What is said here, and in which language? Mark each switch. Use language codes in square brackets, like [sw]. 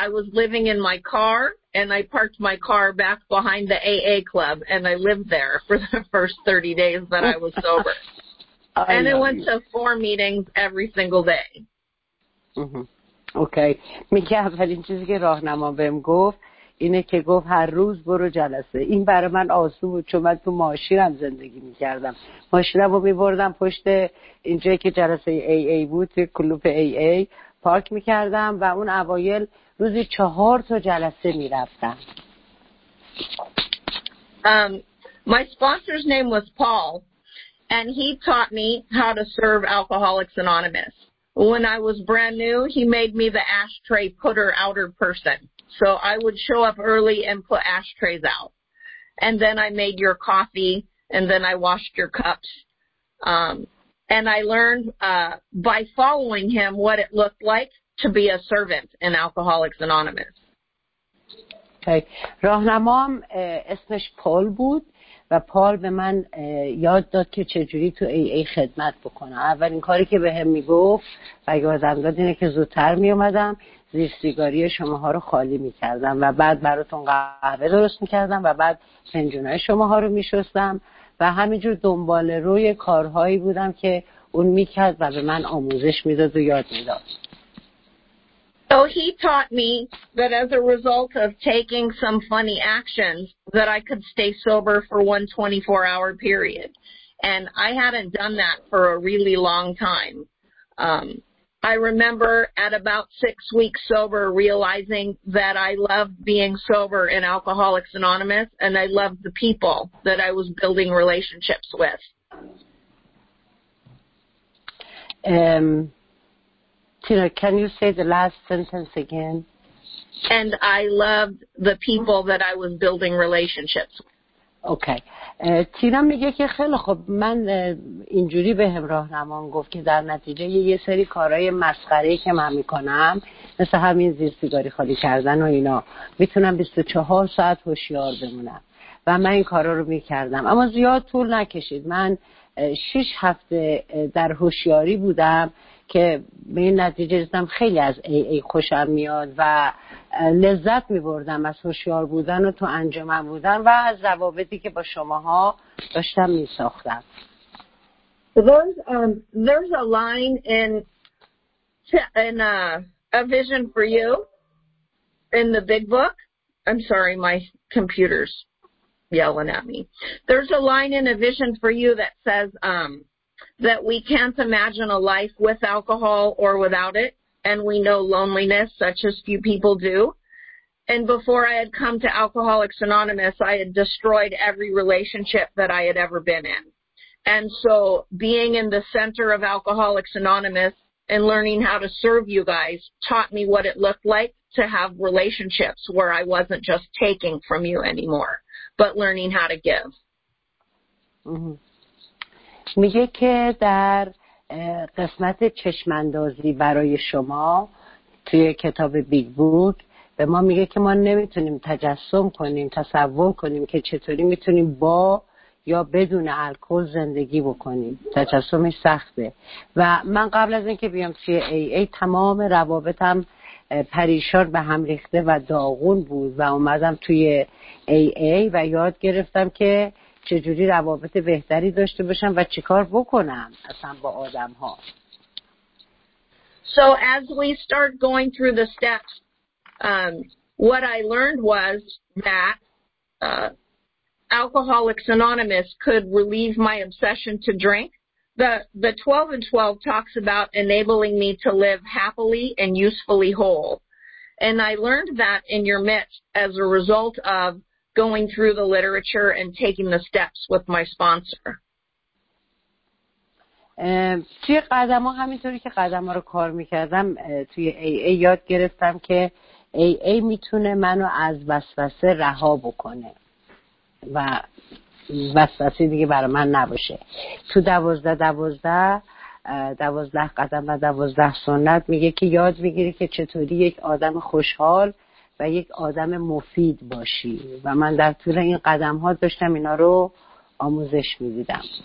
[en] I was living in my car, and I parked my car back behind the AA club, and I lived there for the first 30 days that I was sober. And I went to 4 meetings every single day. Okay. [fa] میگه اولین چیزی که راهنما بهم گفت اینه که گفت هر روز برو جلسه. این برای من آسون بود چون من تو ماشینم زندگی میکردم. ماشینم رو میبردم پشت اینجایی که جلسه AA بود توی کلوب AA. پارک میکردم و اون اوایل روزی 4 تا جلسه میرفتم. [en] My sponsor's name was Paul and he taught me how to serve Alcoholics Anonymous. When I was brand new, he made me the ashtray putter outer person. So I would show up early and put ashtrays out. And then I made your coffee and then I washed your cups. And I learned by following him what it looked like to be a servant in Alcoholics Anonymous. Okay. [fa] راهنمام اسمش پال بود و پال به من یاد داد که چجوری تو AA خدمت بکنه. اولین کاری که به هم میگفت و یادم داد اینه که زودتر میومدم زیر سیگاری شماها رو خالی میکردم و بعد براتون قهوه درست میکردم و بعد فنجونای شماها رو میشستم و همینجور دنبال روی کارهایی بودم که اون میکرد و به من آموزش میداد و یاد میداد. [en] So he taught me that as a result of taking some funny actions that I could stay sober for one 24-hour period. And I hadn't done that for a really long time. I remember at about 6 weeks sober realizing that I loved being sober in Alcoholics Anonymous and I loved the people that I was building relationships with. Tina, can you say the last sentence again? And I loved the people that I was building relationships with. Okay. [fa] تینا میگه که خیلی خب من اینجوری به هم راهنمان گفت که در نتیجه یه سری کارهای مسخره‌ای که من میکنم مثل همین زیر سیگاری خالی کردن و اینا میتونم 24 ساعت هوشیار بمونم و من این کارا رو میکردم، اما زیاد طول نکشید، من 6 هفته در هوشیاری بودم که به این نتیجه رسیدم خیلی از ای خوشم میاد و لذت میبردم از هوشیار بودن و تو انجمن بودن و از ضوابطی که با شماها داشتم میساختم. [en] There's a line in a vision for you in the big book. I'm sorry, my computer's yelling at me. There's a line in a vision for you that says that we can't imagine a life with alcohol or without it, and we know loneliness such as few people do. And before I had come to Alcoholics Anonymous, I had destroyed every relationship that I had ever been in. And so being in the center of Alcoholics Anonymous and learning how to serve you guys taught me what it looked like to have relationships where I wasn't just taking from you anymore, but learning how to give. Mm-hmm. [fa] میگه که در قسمت چشماندازی برای شما توی کتاب بیگ بوک به ما میگه که ما نمیتونیم تجسم کنیم، تصور کنیم که چطوری میتونیم با یا بدون الکل زندگی بکنیم. تجسمش سخته و من قبل از اینکه بیام توی AA تمام روابطم پریشان به هم ریخته و داغون بود و اومدم توی AA و یاد گرفتم که چجوری روابط بهتری داشته باشم و چیکار بکنم اصلا با آدم ها. [en] So as we start going through the steps, what I learned was that Alcoholics Anonymous could relieve my obsession to drink. The 12 and 12 talks about enabling me to live happily and usefully whole. And I learned that in your midst as a result of going through the literature and taking the steps with my sponsor. [fa] توی قدم ها همینطوری که قدم ها رو کار میکردم توی AA یاد گرفتم که AA میتونه منو از وسوسه رها بکنه و وسوسه دیگه برای من نباشه. تو 12 قدم و 12 سنت میگه که یاد میگیری که چطوری یک آدم خوشحال و یک آدم مفید باشی و من در طول این قدم‌ها داشتم اینا رو آموزش می‌دیدم.